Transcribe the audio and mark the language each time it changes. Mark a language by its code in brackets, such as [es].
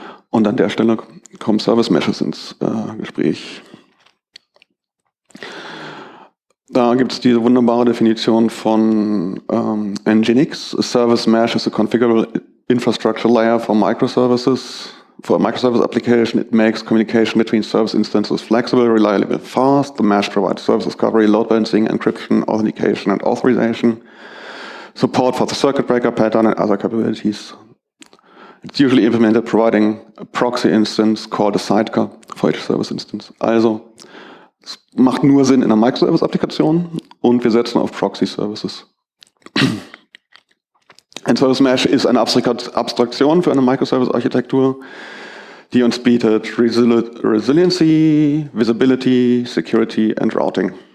[de] Und an der Stelle kommen Service Meshes ins Gespräch. Da gibt es diese wunderbare Definition von Nginx. [en] A Service Mesh is a configurable infrastructure layer for microservices. For a microservice application, it makes communication between service instances flexible, reliable, fast. The mesh provides service discovery, load balancing, encryption, authentication, and authorization. Support for the circuit breaker pattern and other capabilities. It's usually implemented providing a proxy instance called a sidecar for each service instance. [de] Also, es macht nur Sinn in einer Microservice-Applikation und wir setzen auf Proxy-Services. Ein Service Mesh ist eine Abstraktion für eine Microservice-Architektur, die uns bietet Resiliency, Visibility, Security und Routing.